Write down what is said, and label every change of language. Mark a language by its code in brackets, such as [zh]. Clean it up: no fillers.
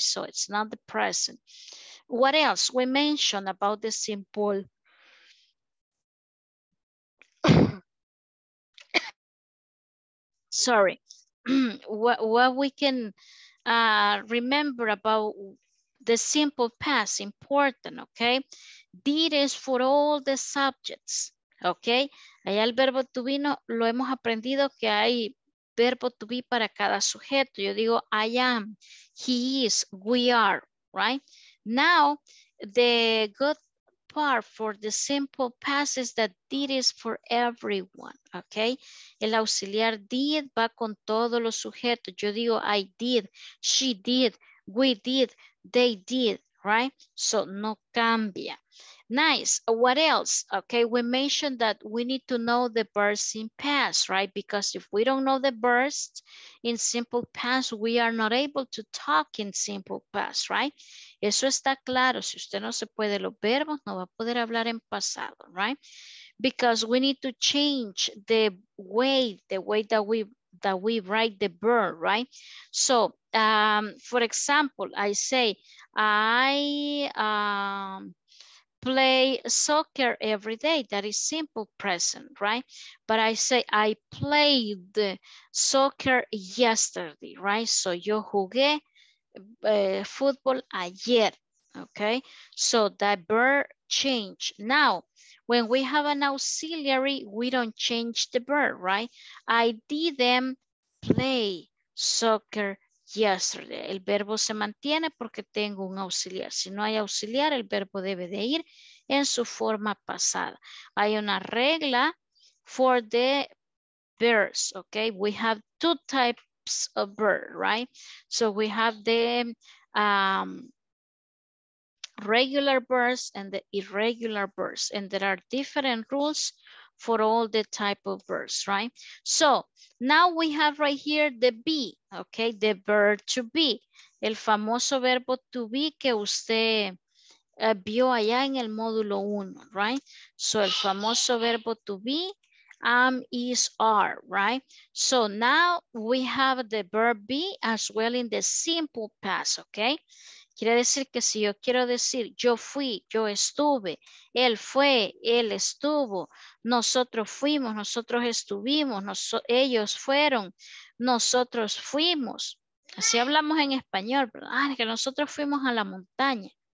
[en] So it's not the present. What else we mentioned about the simple sorry what we can remember about the simple past, important, okay? Did is for all the subjects, okay? [es] Allá el verbo to be, no, lo hemos aprendido que hay verbo to be para cada sujeto. Yo digo [en] I am, he is, we are, right? Now, the good part for the simple past is that did is for everyone, okay? [es] El auxiliar did va con todos los sujetos. Yo digo [en] I did, she did, we did, they did, [es] right? [en] So [es] no cambia. [en] Nice. What else? Okay, we mentioned that we need to know the verbs in past, right? Because if we don't know the verbs in simple past, we are not able to talk in simple past, right? [es] Eso está claro. Si usted no se puede los verbos, no va a poder hablar en pasado, right? [en] Because we need to change the way that we write the verb, right? So, for example, I say, I play soccer every day. That is simple present, right? But I say, I played soccer yesterday, right? [es] So yo jugué football ayer, okay? [en] So that verb changed. Now, when we have an auxiliary, we don't change the verb, right? I didn't play soccer yesterday. [es] El verbo se mantiene porque tengo un auxiliar. Si no hay auxiliar, el verbo debe de ir en su forma pasada. Hay una regla [en] for the verbs, okay? We have two types of verbs, right? So we have the regular verbs and the irregular verbs, and there are different rules for all the type of verbs, right? So now we have right here the be, okay? The verb to be, [es] el famoso verbo to be que usted vio allá en el módulo 1, right? [en] So [es] el famoso verbo [en] to be, is, are, right? So now we have the verb be as well in the simple past, okay? [es] Quiere decir que si yo quiero decir yo fui, yo estuve, él fue, él estuvo, nosotros fuimos, nosotros estuvimos, ellos fueron, nosotros fuimos. Así hablamos en español, ¿verdad? Que nosotros fuimos a la montaña.